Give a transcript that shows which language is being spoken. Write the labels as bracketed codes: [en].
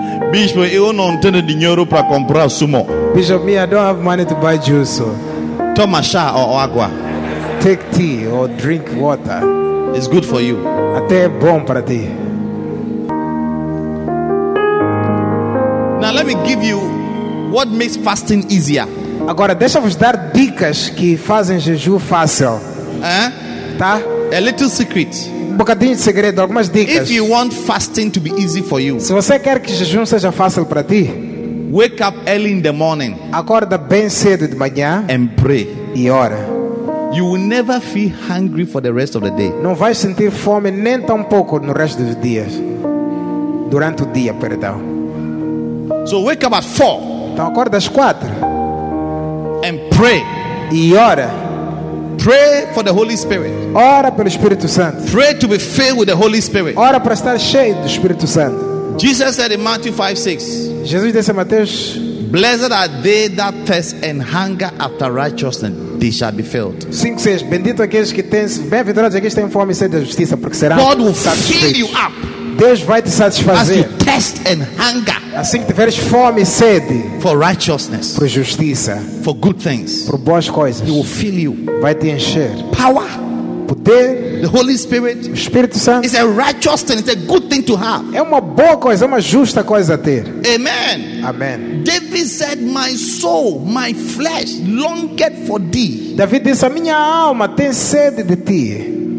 [pt] Bishop, eu não tenho dinheiro para comprar sumo. [en] Bishop, me, I don't have money to buy juice. So. [pt] Toma chá ou água. [en] Take tea or drink water. It's good for you. [pt] Até é bom para ti. [en] Let me give you what makes fasting easier. [pt] Agora deixa-vos dar dicas que fazem jejum fácil. Tá? [en] A little secret. [pt] Um bocadinho de segredo, algumas dicas. [en] If you want fasting to be easy for you. [pt] Se você quer que jejum seja fácil para ti. [en] Wake up early in the morning. [pt] Acorda bem cedo de manhã. [en] And pray. [pt] E ora. [en] You will never feel hungry for the rest of the day. [pt] Não vais sentir fome nem tampouco no resto dos dias. Durante o dia, perdão. [en] So wake up at 4. [pt] Então acorda às 4. [en] And pray. [pt] E ora. [en] Pray for the Holy Spirit. [pt] Ora pelo Espírito Santo. [en] Pray to be filled with the Holy Spirit. [pt] Ora para estar cheio do Espírito Santo. [en] Jesus said in Matthew 5:6. [pt] Jesus disse em Mateus: [en] Blessed are they that thirst and hunger after righteousness, they shall be filled. [pt] 5:6. Bendito aqueles que têm, bem-aventurados aqueles que têm fome e sede de justiça, porque serão [en] God will fill you up. [pt] Deus vai te satisfazer. [en] As you thirst and hunger. [pt] Assim que tiveres fome e sede. [en] For righteousness. [pt] Por justiça. [en] For good things. [pt] Por boas coisas. [en] He will fill you. [pt] Vai te encher. [en] Power. [pt] Poder. [en] The Holy Spirit. [pt] O Espírito Santo. [en] It's a righteous thing. It's a good thing to have. [pt] É uma boa coisa. É uma justa coisa a ter. [en] Amen. Amen. David said, my soul, my flesh longeth for thee. [pt] David disse, a minha alma tem sede de ti.